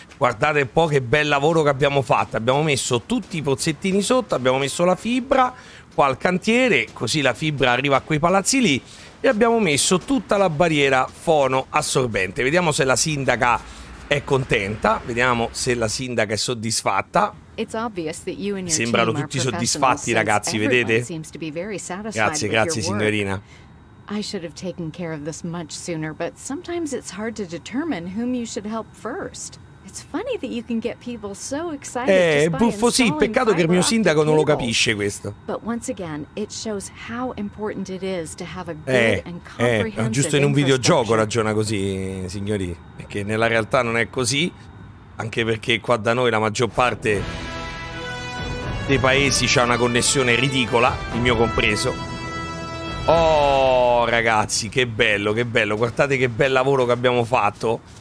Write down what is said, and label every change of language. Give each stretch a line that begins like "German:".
Italian: Guardate un po' che bel lavoro che abbiamo fatto. Abbiamo messo tutti i pozzettini sotto, abbiamo messo la fibra qua al cantiere, così la fibra arriva a quei palazzi lì, e abbiamo messo tutta la barriera fono assorbente. Vediamo se la sindaca è contenta, vediamo se la sindaca è soddisfatta. Sembrano tutti soddisfatti, ragazzi, vedete? Grazie, grazie, signorina.
English: I should have taken care of this much sooner, but sometimes it's hard to determine whom you should help first. It's funny that you can get people so excited just by installing fiber optic cables.
Italian: Buffo, sì, peccato che il mio sindaco non lo capisce questo.
English: But once again, it shows how important it is to have a good and comprehensive infrastructure.
Italian: Giusto in un videogioco ragiona così, signori, perché nella realtà non è così, anche perché qua da noi la maggior parte dei paesi c'ha una connessione ridicola, il mio compreso. Oh, ragazzi, che bello, che bello. Guardate che bel lavoro che abbiamo fatto.